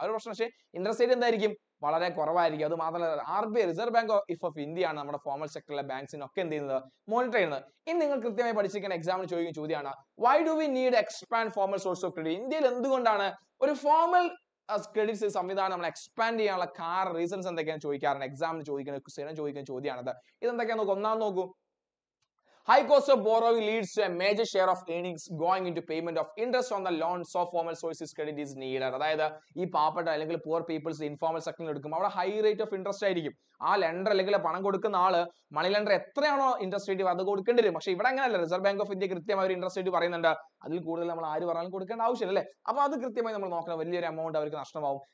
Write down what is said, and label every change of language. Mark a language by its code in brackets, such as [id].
[ml] അത് പക്ഷേ interest rate എന്തായിരിക്കും? വളരെ കുറവായിരിക്കും. അത് മാത്രമല്ല, RBI reserve bank of India ആണ് നമ്മുടെ ഫോർമൽ സെക്ടറിലെ ബാങ്ക്സിനൊക്കെ എന്ത് ചെയ്യുന്നത്? മോണിറ്റർ ചെയ്യുന്നത്. ഇനി നിങ്ങൾ കൃത്യമായി പഠിച്ചിരിക്കുന്ന എക്സാമിന് ചോദിക്കുന്ന ചോദ്യമാണ്, [en] Why do we need expand formal source of credit? [ml] ഇന്ത്യയിൽ എന്തുകൊണ്ടാണ് ഒരു ഫോർമൽ ക്രെഡിറ്റ് സംവിധാനം നമ്മൾ എക്സ്പാൻഡ് ചെയ്യാനുള്ള കാരണം, റീസൺസ് എന്തൊക്കെയാണെന്ന് ചോദിക്കാറുണ്ട് എക്സാമിന് ചോദിക്കുന്ന ക്വസ്റ്റ്യൻ ചോദിക്കുന്ന ചോദ്യമാണത്. ഇതെന്തൊക്കെയാണ് നോക്കും. ഒന്നാമത് നോക്കൂ, [en] High cost of borrowing leads to a major share of earnings going into payment of interest on the loans. So formal sources credit is needed. [ml] അതായത് ഈ പാവപ്പെട്ട അല്ലെങ്കിൽ പൂർ പീപ്പിൾസ് ഇൻഫോർമൽ സെക്ടറിൽ എടുക്കുമ്പോൾ അവിടെ ഹൈ റേറ്റ് ഓഫ് ഇൻട്രസ്റ്റ് ആയിരിക്കും. ആ lender അല്ലെങ്കിൽ പണം കൊടുക്കുന്ന ആള് മണി ലെൻഡർ എത്രയാണോ ഇൻട്രസ്റ്റ് റേറ്റ് അത് കൊടുക്കേണ്ടി വരും. പക്ഷെ ഇവിടെ അങ്ങനെയല്ല, റിസർവ് ബാങ്ക് ഓഫ് ഇന്ത്യ കൃത്യമായി ഒരു ഇൻട്രസ്റ്റ് റേറ്റ് പറയുന്നുണ്ട്. അതിൽ കൂടുതൽ നമ്മൾ ആര് പറഞ്ഞാലും കൊടുക്കേണ്ട ആവശ്യമില്ല അല്ലേ. അപ്പൊ അത് കൃത്യമായി നമ്മൾ നോക്കണം, വലിയൊരു എമൗണ്ട് അവർക്ക് നഷ്ടമാവും.